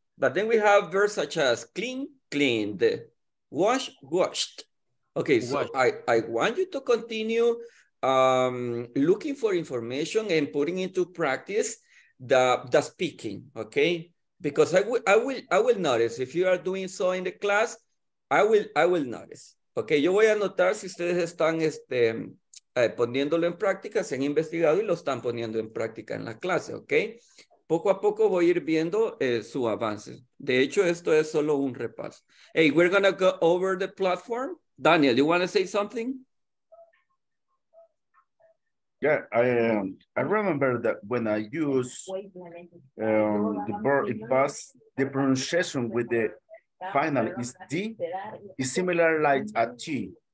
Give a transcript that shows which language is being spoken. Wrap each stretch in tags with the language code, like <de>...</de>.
<en>But then we have verbs such as clean, cleaned, wash, washed. Okay, so I want you to continue looking for information and putting into practice the speaking, okay? Because I will notice if you are doing so in the class, I will notice.</en> <es>Ok, yo voy a anotar si ustedes están poniéndolo en práctica, se han investigado y lo están poniendo en práctica en la clase, ok. Poco a poco voy a ir viendo su avance. De hecho, esto es solo un repaso.</es> <en>Hey, we're going to go over the platform. Daniel, you want to say something? Yeah, I remember that when I use the verb in past, the pronunciation with the final is D, is similar like a T.</en>